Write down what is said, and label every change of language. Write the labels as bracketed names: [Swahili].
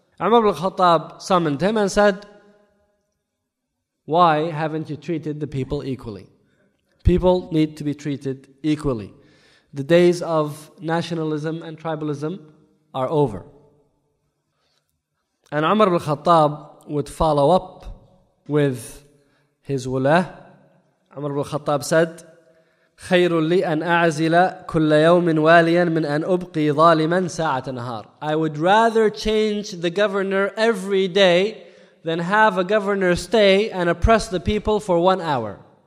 [English] Umar ibn Khattab summoned him and said, "Why haven't you treated the people equally? People need to be treated equally. The days of nationalism and tribalism are over." And Umar ibn Khattab would follow up with his wulah. [Arabic] Umar ibn Khattab said, خَيْرُ لِي أَنْ أَعْزِلَ كُلَّ يَوْمٍ وَالِيًا مِنْ أَنْ أُبْقِي ظَالِمًا سَاعَةَ نَهَارٍ. [English] I would rather change the governor every day than have a governor stay and oppress the people for 1 hour.